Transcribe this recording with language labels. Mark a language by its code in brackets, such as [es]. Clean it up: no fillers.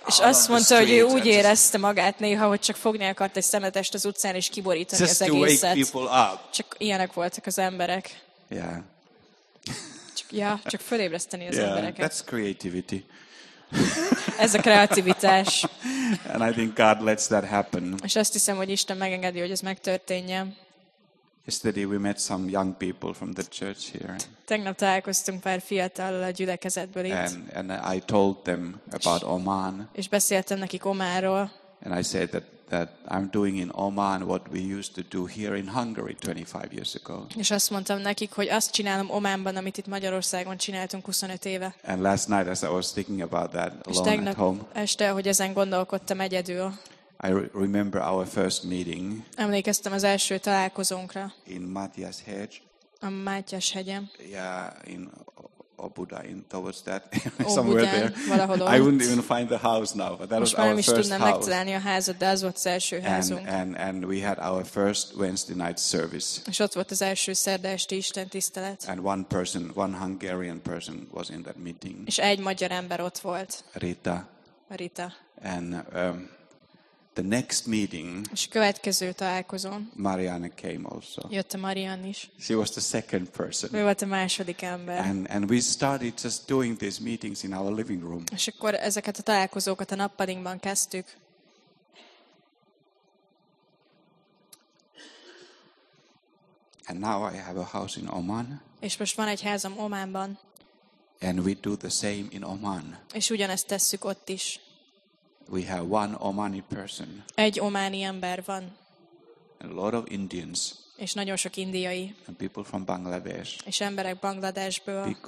[hu] És azt mondta, hogy ő úgy érezte magát néha, hogy csak fogni akart egy szemetest az utcán és kiborítani az egészet. [en] Just to wake people up. [hu] Csak ilyenek voltak az emberek. [en] Yeah. [hu] csak fölébreszteni az embereket. [en] That's creativity. [hu] Ez a kreativitás. [en] And I think God lets that happen. [hu] És azt hiszem, hogy Isten megengedi, hogy ez megtörténjen. [en] Yesterday we met some young people from the church here. [hu] Tegnap találkoztunk pár fiatal a gyülekezetből itt. [en] And I told them about Oman. [hu] És beszéltem nekik Ománról. [en] And I said that I'm doing in Oman what we used to do here in Hungary 25 years ago. [hu] És azt mondtam nekik, hogy azt csinálom Ománban, amit itt Magyarországon csináltunk 25 éve. [en] And last night as I was thinking about that alone at home. [hu] Este, hogy ezen gondolkodtam egyedül. [en] I remember our first meeting. [hu] Emlékeztem az első találkozónkra. [en] In Matthias Hedge. [hu] A Mátyás hegyen. [en] Yeah, in Obuda, in towards that somewhere Obuden, there. I wouldn't even find the house now, but that [hu] most [en] was our first house. [hu] Most már is a házat, de az volt az első házunk. [en] And we had our first Wednesday night service. [hu] És ott volt az első szerda esti Isten tisztelet. [en] And one person, one Hungarian person, was in that meeting. [hu] És egy magyar ember ott volt. [en] Rita. And the next meeting. [hu] És következő találkozón. [en] Marianne came also. [hu] Jött a Marianne is. [en] She was the second person. [hu] Ő volt a második ember. [en] And we started just doing these meetings in our living room. [hu] És akkor ezeket a találkozókat a nappalinkban kezdtük. [en] And now I have a house in Oman. [hu] És most van egy házam Ománban. [en] And we do the same in Oman. [hu] És ugyanezt tesszük ott is. [en] We have one Omani person. [hu] Egy ománi ember van. [en] A lot of Indians. [hu] És nagyon sok indiai. [en] And people from Bangladesh. [hu] És emberek Bangladeshből.